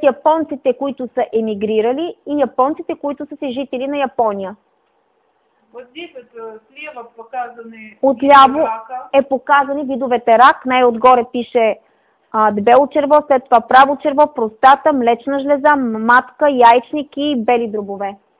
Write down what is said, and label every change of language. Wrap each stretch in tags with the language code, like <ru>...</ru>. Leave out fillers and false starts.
<bg>японците, които са емигрирали, и японците, които са си жители на Япония.</bg> <ru>Вот здесь слева показаны</ru> <bg>отляво е показани видовете рак. Най-отгоре пише дебело черво, след това право черво, простата, млечна жлеза, матка, яичники и бели дробове.</bg>